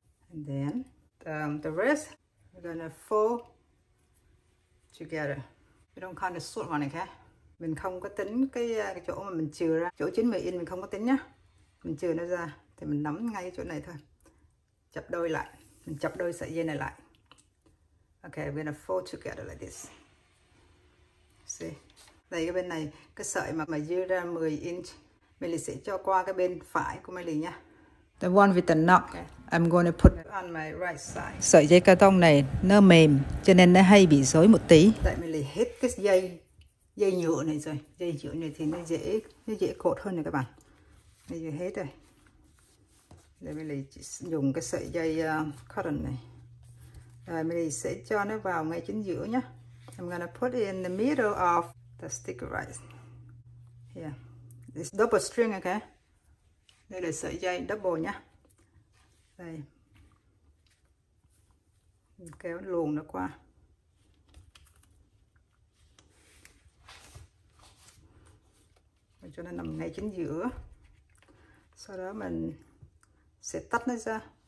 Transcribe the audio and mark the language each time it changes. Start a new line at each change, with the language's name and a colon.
English: And then the rest, we're gonna fold together. We don't count the short one, okay?
Vietnamese: Mình không có tính cái chỗ mà mình chừa ra, chỗ 90 in mình không có tính nhá. Mình chừa nó ra, thì mình nắm ngay chỗ này thôi. Chập đôi lại, mình chập đôi sợi dây này lại.
English: Okay, we're gonna fold together like this. See,
Vietnamese: đây cái bên này, cái sợi mà dư ra 10 inch, mình sẽ cho qua cái bên phải của mình nhá.
English: The one with the knot, okay. I'm going to put on my right side.
Vietnamese: Sợi dây carton này nó mềm cho nên nó hay bị rối một tí. Tại mình lấy hết cái dây nhựa này rồi. Dây nhựa này thì nó dễ cột hơn này các bạn. Bây giờ hết rồi. Đây mình lấy dùng cái sợi dây cotton này. Rồi mình sẽ cho nó vào ngay chính giữa nhá.
English: I'm going to put it in the middle of the stick of rice. Here. This double string, okay?
Vietnamese: Đây là sợi dây double nhá. Đây. Mình kéo luồn nó qua. Mình cho nó nằm ngay chính giữa. Sau đó mình sẽ tách nó ra.